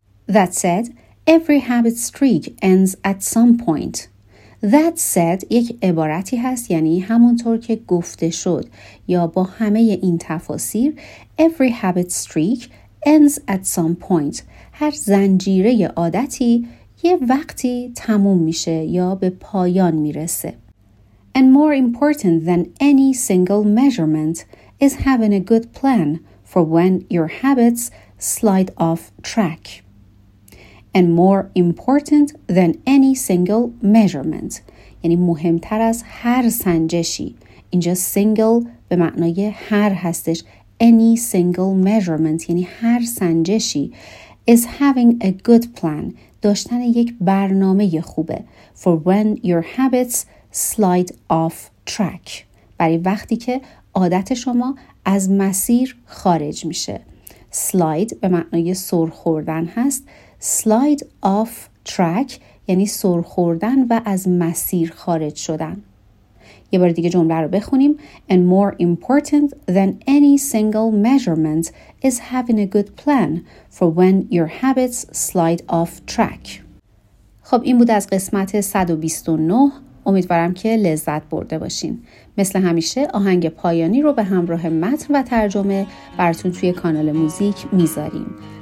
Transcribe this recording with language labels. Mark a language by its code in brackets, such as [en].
[en] That said, every habit streak ends at some point. That said, [fa] یک عبارتی هست, یعنی همونطور که گفته شد, یا با همه این تفاسیر, [en] every habit streak ends at some point. [fa] هر زنجیره عادتی یه وقتی تموم میشه یا به پایان میرسه. [en] And more important than any single measurement is having a good plan for when your habits slide off track. And more important than any single measurement, [fa] یعنی مهمتر از هر سنجشی, اینجا single به معنای هر هستش, [en] any single measurement [fa] یعنی هر سنجشی, [en] is having a good plan, [fa] داشتن یک برنامه خوبه, [en] for when your habits slide off track, [fa] برای وقتی که عادت شما از مسیر خارج میشه. Slide به معنای سر خوردن هست. Slide off track یعنی سر خوردن و از مسیر خارج شدن. یه بار دیگه جمله رو بخونیم. [en] And more important than any single measurement is having a good plan for when your habits slide off track. [fa] خب این بود از قسمت 129. امیدوارم که لذت برده باشین. مثل همیشه آهنگ پایانی رو به همراه متن و ترجمه براتون توی کانال موزیک میذاریم.